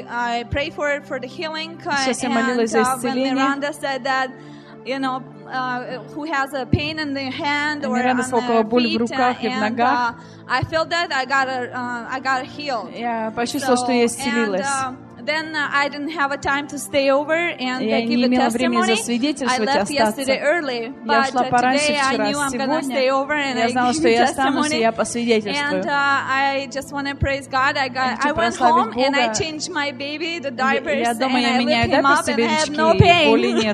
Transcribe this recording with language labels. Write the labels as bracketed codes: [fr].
[ru] Сейчас я молилась за исцеление. [en] Miranda said that, you know, who has a pain in the hand or on the feet, I felt that I got healed. [ru] Я почувствовала, что я исцелилась. [en] Then I didn't have a time to stay over and give a testimony. I left yesterday early, but today I knew I'm going to stay over and I give a testimony. And I just want to praise God. I went home and I changed my baby, the diapers, and I lift him up and I have no pain.